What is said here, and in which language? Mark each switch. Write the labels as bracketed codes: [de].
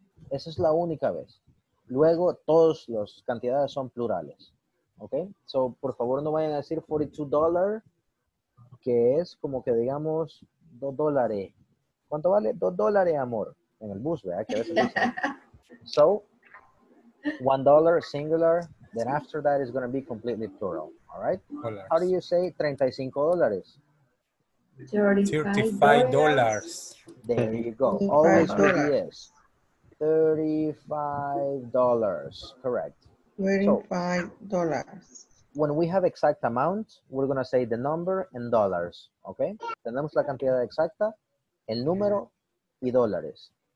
[es] Esa es la única vez. Luego, todas las cantidades son plurales. ¿Ok? So, por favor, no vayan a decir $42, que es como que digamos $2. ¿Cuánto vale? $2, amor. En el bus, ¿verdad? Que a veces dicen. [en] So, $1 singular, then after that is going to be completely plural. All right? Dollars. How do you say $35? $35. There you go. Always go to yes. $35. Correct. $35. So, when we have exact amount, we're going to say the number and dollars. Okay? [es] Tenemos la cantidad exacta, el número y dólares.